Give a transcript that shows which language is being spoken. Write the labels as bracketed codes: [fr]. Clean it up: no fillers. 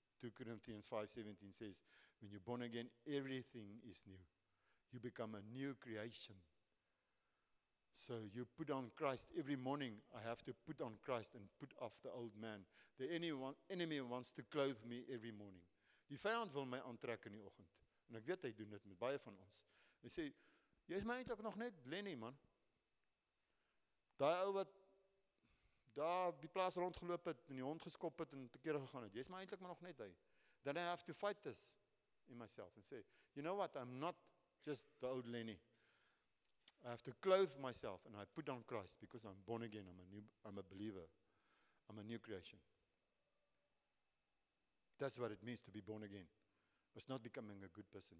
[en] 2 Corinthians 5:17 says, when you're born again, everything is new. You become a new creation. So you put on Christ. Every morning I have to put on Christ and put off the old man. The enemy wants to clothe me every morning. [af] Die vyand wil my aantrek in die oggend. En ek weet hy doen dit met baie van ons. Hy sê, jy is my eintlik nog net Lenny, man. Daai ou wat daar die plaas rondgeloop het en die hond geskop het en te kere gegaan het. Jy is my eintlik maar nog net hy. [en] Then I have to fight this in myself and say, you know what, I'm not just the old Lenny. I have to clothe myself and I put on Christ because I'm born again. I'm a believer. I'm a new creation. That's what it means to be born again. It's not becoming a good person.